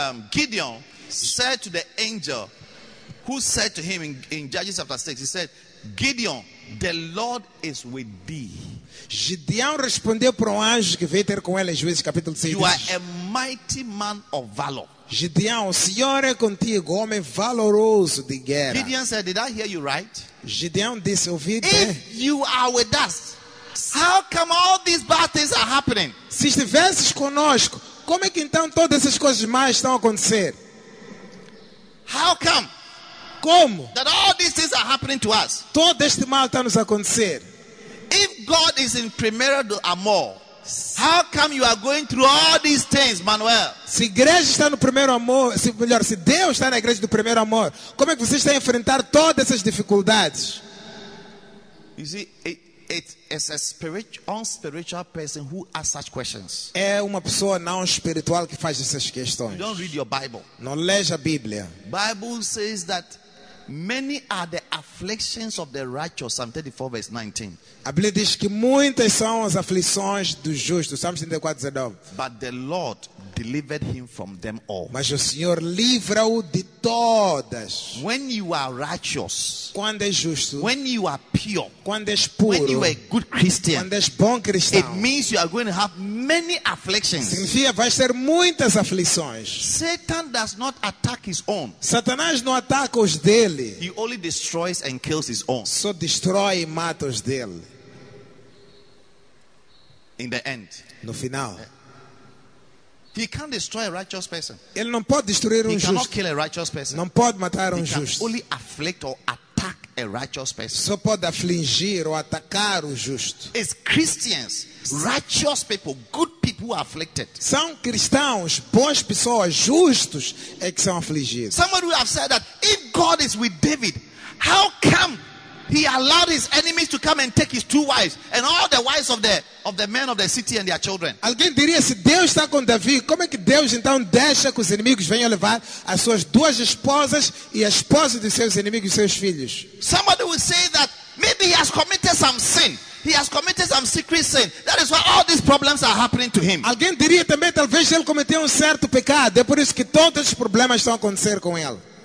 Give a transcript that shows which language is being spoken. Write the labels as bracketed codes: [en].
[en] Gideon said to the angel who said to him in Judges chapter 6, he said, Gideon, the Lord is with thee. [pt] Gideão respondeu para um anjo que veio ter com ele em Juízes capítulo 6. [en] You are a mighty man of valor. [pt] Gideão, o Senhor é contigo, homem valoroso de guerra. [en] Gideon said, did I hear you right? [pt] Gideão disse, ouvi bem. [en] If you are with us, how come all these bad things are happening? [pt] Se estivesses conosco, como é que então todas essas coisas mais estão a acontecer? [en] How come? [pt] Como? [en] That all these things are happening to us. [pt] Todo este mal está nos a acontecer. [en] If God is in [pt] primeiro do amor, [en] how come you are going through all these things, Manuel? [pt] Se igreja está no primeiro amor, se Deus está na igreja do primeiro amor, como é que você está a enfrentar todas essas dificuldades? [en] You see, it's a unspiritual person who asks such questions. [pt] É uma pessoa não espiritual que faz essas questões. [en] You don't read your Bible. [pt] Não lês a Bíblia. [en] Bible says that many are the afflictions of the righteous. Psalm 34 verse 19. [pt] A Bíblia diz que muitas são as aflições do justo. [en] Psalm 34:19. But the Lord delivered him from them all. [pt] Mas o Senhor livra-o de todas. [en] When you are righteous, [pt] quando é justo. [en] When you are pure, [pt] quando és puro. [en] When you are a good Christian, [pt] quando és bom cristão. [en] It means you are going to have many afflictions. [pt] Significa que vais ter muitas aflições. [en] Satan does not attack his own. [pt] Satanás não ataca os dele. [en] He only destroys and kills his own. [pt] Só destrói e mata os dele. [en] In the end, [pt] no final. [en] He can't destroy a righteous person. [pt] Ele não pode destruir um justo. [en] He cannot kill a righteous person. [pt] Não pode matar um justo. [en] He can only afflict or attack a righteous person. [pt] Só pode afligir ou atacar o justo. [en] It's Christians, righteous people, good people who are afflicted. [pt] São cristãos, boas pessoas, justos, é que são afligidos. [en] Somebody would have said that if God is with David, how come he allowed his enemies to come and take his two wives and all the wives of the men of the city and their children. [pt] Alguém diria, se Deus está com Davi, como é que Deus então deixa que os inimigos venham levar as suas duas esposas e a esposa de seus inimigos e seus filhos? [en] Somebody will say that maybe he has committed some sin. He has committed some secret sin. That is why all these problems are happening to him. [pt] Alguém diria também, talvez ele cometeu um certo pecado, é por isso que todos os problemas estão a acontecer com ele.